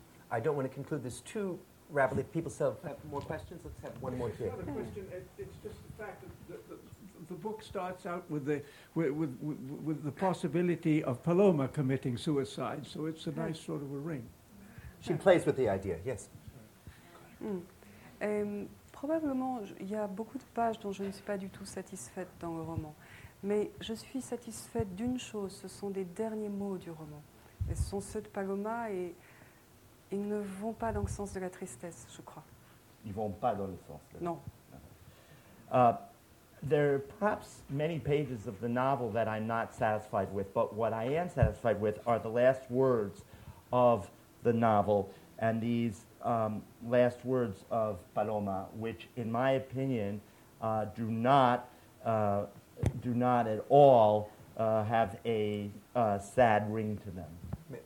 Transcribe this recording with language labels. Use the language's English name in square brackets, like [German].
[English] I don't want to conclude this too rapidly. People still have more questions. Let's have one more here. Another question. It's just the fact that the book starts out with the possibility of Paloma committing suicide. So it's a nice sort of a ring. She plays with the idea. Yes. [French] Probablement, il y a beaucoup de pages dont je ne suis pas du tout satisfaite dans le roman. Mais je suis satisfaite d'une chose. Ce sont des derniers mots du roman. Et ce sont ceux de Paloma et ils ne vont pas dans le sens de la tristesse, je crois. Ils vont pas dans le sens. Là. Non. [English] There are perhaps many pages of the novel that I'm not satisfied with, but what I am satisfied with are the last words of the novel and these last words of Paloma, which, in my opinion, do not at all have a sad ring to them.